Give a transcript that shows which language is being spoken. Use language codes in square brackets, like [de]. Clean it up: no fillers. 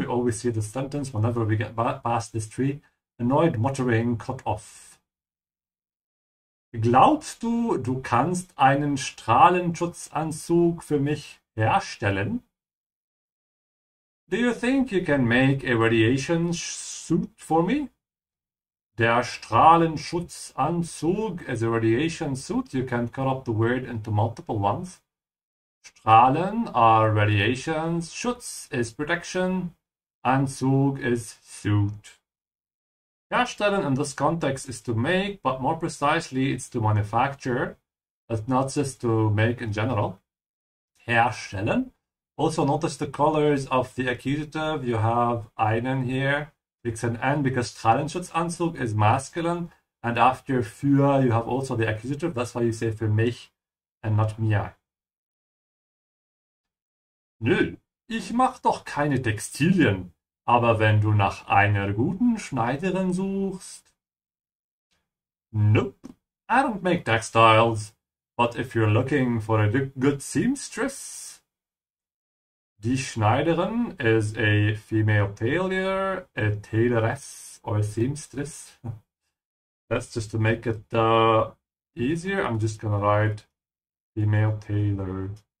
[en] We always see the sentence whenever we get past this tree. Annoyed muttering cut off. [de] Glaubst du, du kannst einen Strahlenschutzanzug für mich herstellen? [en] Do you think you can make a radiation suit for me? Der Strahlenschutzanzug is a radiation suit. You can cut up the word into multiple ones. Strahlen are radiations. Schutz is protection. Anzug is suit. Herstellen in this context is to make, but more precisely, it's to manufacture. It's not just to make in general. Herstellen. Also notice the colors of the accusative. You have einen here. It's an N because Strahlenschutzanzug is masculine. And after für, you have also the accusative. That's why you say für mich and not mir. [de] Nö, ich mach doch keine Textilien. Aber wenn du nach einer guten Schneiderin suchst... [en] Nope, I don't make textiles. But if you're looking for a good seamstress... Die Schneiderin is a female tailor, a tailoress or a seamstress. That's just to make it easier. I'm just gonna write female tailor.